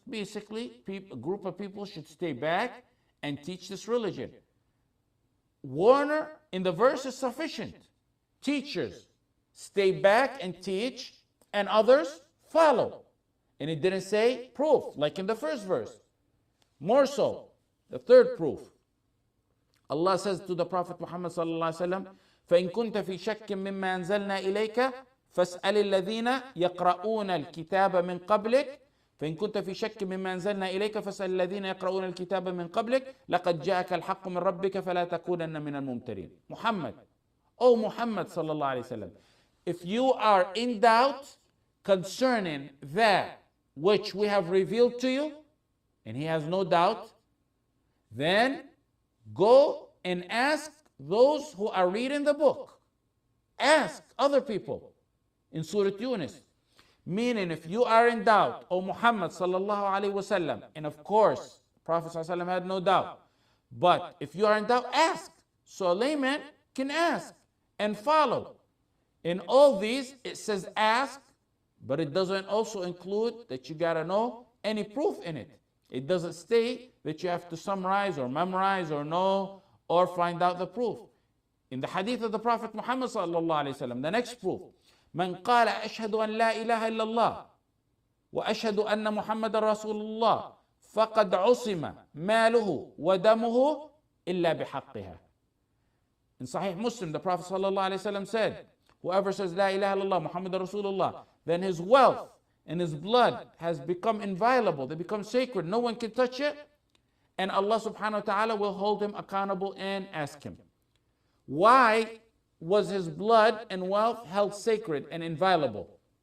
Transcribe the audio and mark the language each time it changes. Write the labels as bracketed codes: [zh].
[en] Basically, a group of people should stay back and teach this religion. Warner in the verse is sufficient. Teachers, stay back and teach, and others follow. And it didn't say proof, like in the first verse. More so, the third proof. Allah says to the Prophet Muhammad sallallahu alaihi wasallam, [ar] فَإِنْ كُنْتَ فِي شَكٍ مِمَّا أَنزَلْنَا إِلَيْكَ فَاسْأَلِ الَّذِينَ يَقْرَؤُونَ الْكِتَابَ مِنْ قَبْلِكَ فَإِنْ كُنْتَ فِي شَكٍ مِمَّا أَنزَلْنَا إِلَيْكَ فَاسْأَلِ الَّذِينَ يَقْرَؤُونَ الْكِتَابَ مِنْ قَبْلِكَ لَقَدْ جَاءَكَ الْحَقُّ مِنْ رَبِّكَ فَلَا تَكُونَنَّ مِنَ الْمُمْتَرِينَ. [en] Muhammad, O Muhammad sallallahu alaihi wasallam, if you are in doubt concerning that which we have revealed to you, and he has no doubt, then go and ask those who are reading the book. Ask other people in Surah Yunus. Meaning, if you are in doubt, O Muhammad sallallahu alaihi wasallam, and of course, Prophet sallallahu alaihi wasallam had no doubt, but if you are in doubt, ask. So a layman can ask and follow. In all these, it says ask, but it doesn't also include that you gotta know any proof in it. It doesn't say that you have to summarize or memorize or know or find out the proof. In the hadith of the Prophet Muhammad sallallahu alaihi wasallam, the next proof, [ar] من قال أشهد أن لا إله إلا الله وأشهد أن محمد رسول الله فقد عصم ماله ودمه إلا بحقها. [en] In Sahih Muslim, the Prophet sallallahu alaihi wasallam said, whoever says [ar] لا إله إلا الله محمد رسول الله, [en] then his wealth and his blood has become inviolable. They become sacred. No one can touch it. And Allah subhanahu wa ta'ala will hold him accountable and ask him, why was his blood and wealth held sacred and inviolable?